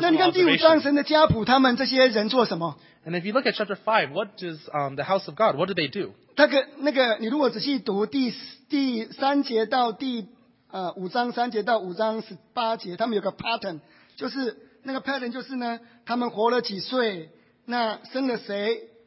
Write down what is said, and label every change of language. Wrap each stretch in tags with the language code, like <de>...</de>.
<zh>那你看第五章神的家谱，他们这些人做什么</zh> <en>？And if you look at chapter 5, what does the house of God? What do they do?</en> <zh>那个，你如果仔细读第三节到第。五章三节到五章十八节，他们有个 pattern， 就是那个 pattern 就是呢，他们活了几岁，那生了谁？</zh>